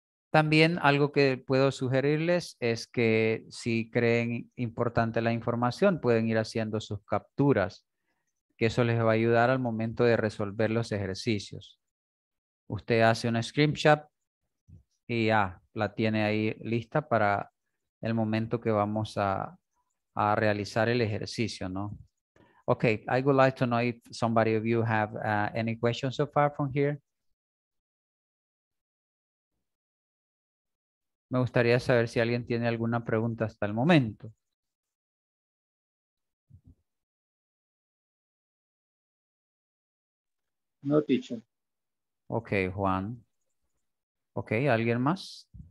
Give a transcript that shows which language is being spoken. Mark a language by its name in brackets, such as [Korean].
[Spanish] También algo que puedo sugerirles es que si creen importante la información, pueden ir haciendo sus capturas, que eso les va a ayudar al momento de resolver los ejercicios. Usted hace una screenshot y ya la tiene ahí lista para el momento que vamos a realizar el ejercicio, ¿no? [English] Okay, I would like to know if somebody of you have any questions so far from here. [Spanish] Me gustaría saber si alguien tiene alguna pregunta hasta el momento. [English] No, teacher. [Spanish] Ok, Juan. Ok, ¿alguien más?